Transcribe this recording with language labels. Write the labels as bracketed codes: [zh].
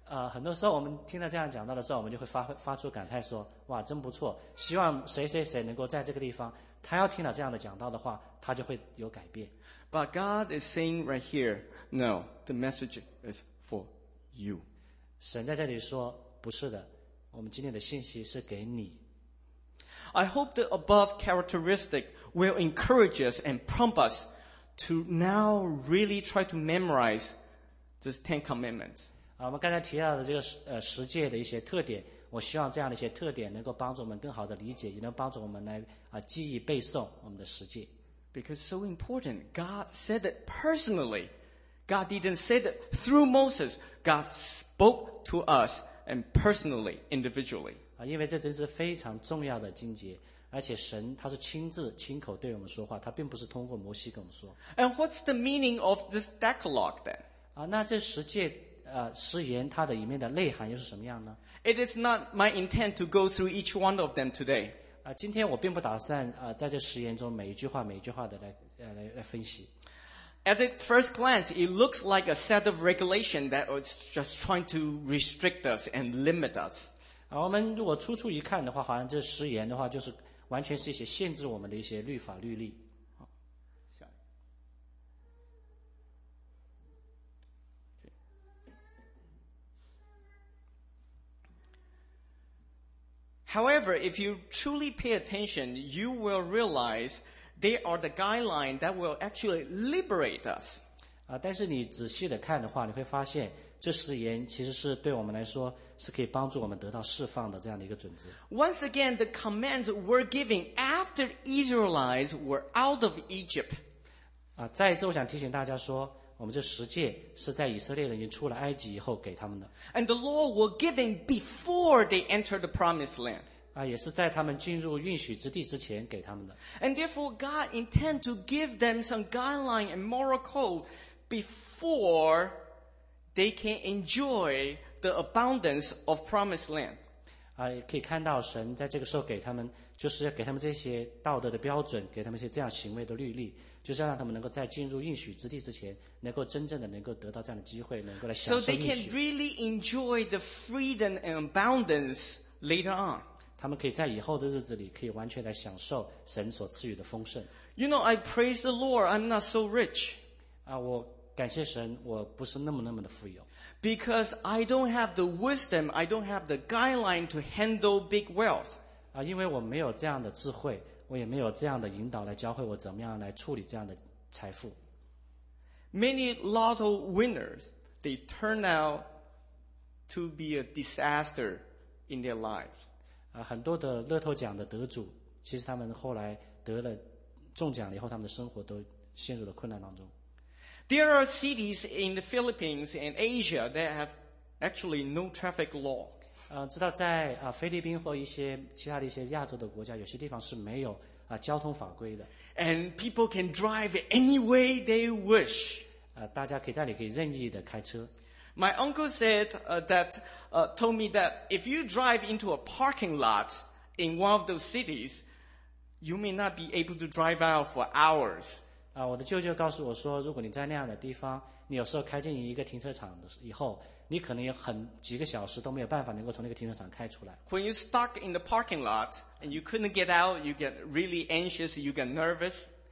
[zh] 很多时候我们听到这样讲到的时候，我们就会发出感叹说，哇，真不错，希望谁谁谁能够在这个地方，他要听到这样的讲到的话，他就会有改变。 [en] But God is saying right here, no, the message is for you. [zh] 神在这里说，不是的，我们今天的信息是给你。 [en] I hope the above characteristic will encourage us and prompt us to now really try to memorize this Ten Commandments. [zh] 我们刚才提到的这个十诫的一些特点，我希望这样的一些特点能够帮助我们更好的理解，也能帮助我们来记忆背诵我们的十诫。 [en] Because so important, God said it personally. God didn't say it through Moses. God spoke to us and personally, individually. [zh] 因为这真是非常重要的经节，而且神他是亲自亲口对我们说话，他并不是通过摩西跟我们说。 [en] And what's the meaning of this Decalogue then? [zh] 那这十诫誓言它的里面的内涵又是什么样呢？ [en] It is not my intent to go through each one of them today. [zh] 今天我并不打算在这誓言中每一句话每一句话的 来分析。 [en] At the first glance, it looks like a set of regulations that is just trying to restrict us and limit us. [zh] 我们如果初初一看的话，好像这誓言的话就是完全是一些限制我们的一些律法律例。 [en] However, if you truly pay attention, you will realize they are the guidelines that will actually liberate us. [zh] 但是你仔细的看的话，你会发现这誓言其实是对我们来说是可以帮助我们得到释放的这样的一个准则。 [en] Once again, the commands were given after Israelites were out of Egypt. [zh] 再一次我想提醒大家说，我们这十诫是在以色列人已经出了埃及以后给他们的。 [en] And the law was given before they entered the promised land. [zh] 也是在他们进入应许之地之前给他们的。 [en] And therefore God intend to give them some guideline and moral code before they can enjoy the abundance of promised land. [zh] 可以看到神在这个时候给他们，就是要给他们这些道德的标准，给他们一些这样行为的律例。就是要让他们能够在进入应许之地之前，能够真正的能够得到这样的机会，能够来享受应许。 [en] So they can really enjoy the freedom and abundance later on. [zh] 他们可以在以后的日子里，可以完全来享受神所赐予的丰盛。 [en] You know, I praise the Lord, I'm not so rich. [zh] 我感谢神，我不是那么的富有。 [en] Because I don't have the wisdom, I don't have the guideline to handle big wealth. [zh] 因为我没有这样的智慧。我也没有这样的引导来教会我怎么样来处理这样的财富。 [en] Many lotto winners, they turn out to be a disaster in their lives. [zh] 很多的乐透奖的得主，其实他们后来得了中奖了以后，他们的生活都陷入了困难当中。 [en] There are cities in the Philippines and Asia that have actually no traffic law. [zh] 知道在菲律宾或一些其他的一些亚洲的国家，有些地方是没有交通法规的。 [en] And people can drive any way they wish. [zh] 大家可以在那里可以任意的开车。 [en] My uncle said told me that if you drive into a parking lot in one of those cities, you may not be able to drive out for hours. [zh] 我的舅舅告诉我说，如果你在那样的地方，你有时候开进一个停车场的以后，你可能有很几个小时都没有办法能够从那个停车场开出来。 [en] When you're stuck in the parking lot and you couldn't get out, you get really anxious, you get nervous.